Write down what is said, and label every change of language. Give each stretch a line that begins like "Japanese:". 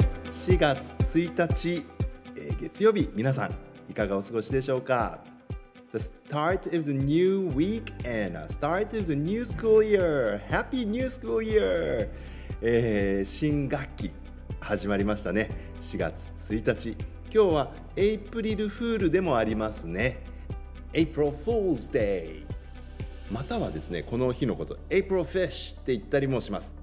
Japanese: 4月1日、月曜日、皆さんいかがお過ごしでしょうか。
English: The start of the new week and a start of the new school year. Happy new school year!、
Japanese: 新学期始まりましたね。 4月1日。今日はエイプリルフールでもありますね。
English: April Fool's Day!
Japanese: またはですね、この日のこと April Fish って言ったりもします。